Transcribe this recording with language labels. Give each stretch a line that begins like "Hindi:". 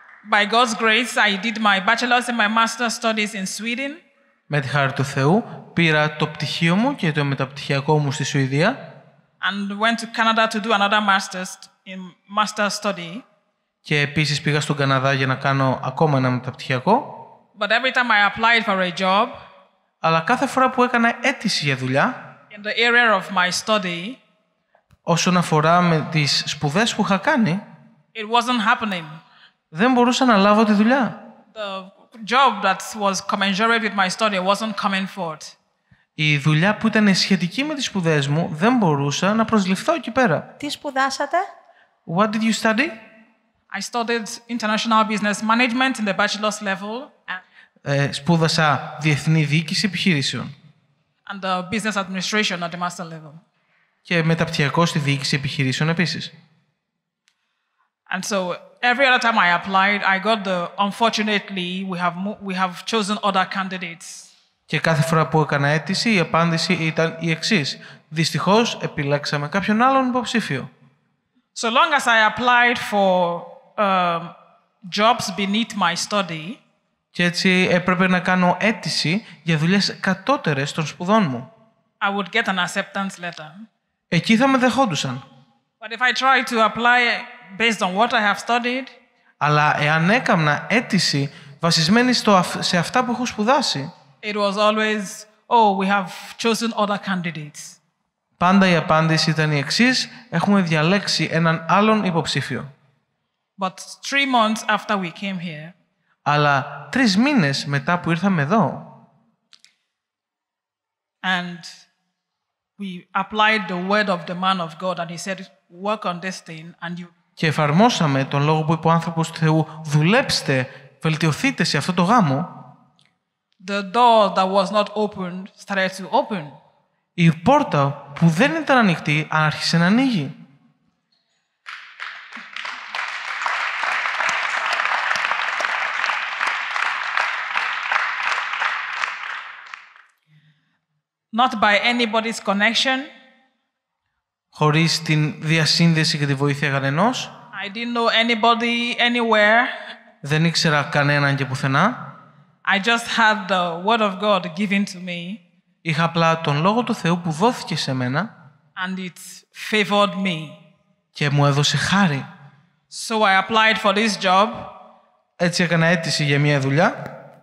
English: By God's grace, I did my bachelor's and my master's studies in Sweden.
Greek: Με τη χάρη του Θεού, πήρα το πτυχίο μου και το μεταπτυχιακό μου στη Σουηδία.
English: And went to Canada to do another master's in master's study.
Greek: Και επίσης πήγα στον Καναδά για να κάνω ακόμα ένα μεταπτυχιακό.
English: But every time I applied for a job,
Greek: αλλά κάθε φορά που έκανα αίτηση για δουλειά,
English: in the area of my study,
Greek: όσον αφορά με τις σπουδές που είχα κάνει,
English: it wasn't happening.
Greek: Δεν μπορούσα να λάβω τη δουλειά.
English: Job that was commensurate with my study wasn't coming forth.
Greek: Η δουλειά που ήταν σχετική με τις σπουδές μου δεν μπορούσα να προσληφθώ εκεί πέρα. Τι σπουδάσατε?
English: What did you study? I studied international business management in the bachelor's level.
Greek: Σπούδασα διεθνή διοίκηση επιχειρήσεων.
English: And the business administration at the master level.
Greek: Και μεταπτυχιακό στη διοίκηση επιχειρήσεων επίσης.
English: And so every other time I applied, I got the unfortunately we have chosen other candidates.
Greek: Και κάθε φορά που έκανα αίτηση, η απάντηση ήταν η εξής. Δυστυχώς επιλέξαμε κάποιον άλλον υποψήφιο.
English: So long as I applied for jobs beneath my study.
Greek: Και έτσι έπρεπε να κάνω αίτηση για δουλειές κατώτερες των σπουδών μου.
English: I would get an acceptance letter.
Greek: Εκεί θα με δεχόντουσαν.
English: But if I try to apply based on what I have studied,
Greek: Αλλά εάν έκανα αίτηση βασισμένη σε αυτά που έχω σπουδάσει.
English: It was always, oh, we have chosen other candidates.
Greek: Πάντα η απάντηση ήταν η εξής, έχουμε διαλέξει έναν άλλον υποψήφιο.
English: But 3 months after we came here.
Greek: Αλλά 3 μήνες μετά που ήρθαμε εδώ.
English: And we applied the word of the man of God and he said, work on this thing and you.
Greek: Και εφαρμόσαμε τον λόγο που είπε ο άνθρωπος του Θεού, δουλέψτε, βελτιωθείτε σε αυτό το γάμο.
English: The door that was not open started to open.
Greek: Η πόρτα που δεν ήταν ανοιχτή άρχισε να ανοίγει.
English: Not by anybody's connection.
Greek: Χωρίς την διασύνδεση και τη βοήθεια κανενός.
English: I didn't know anybody anywhere.
Greek: Δεν ήξερα κανέναν και πουθενά.
English: I just had the word of God given to me.
Greek: Είχα απλά τον λόγο του Θεού που δόθηκε σε μένα.
English: And it favored me.
Greek: Και μου έδωσε χάρη.
English: So I applied for this job.
Greek: Έτσι έκανα αίτηση για μια δουλειά.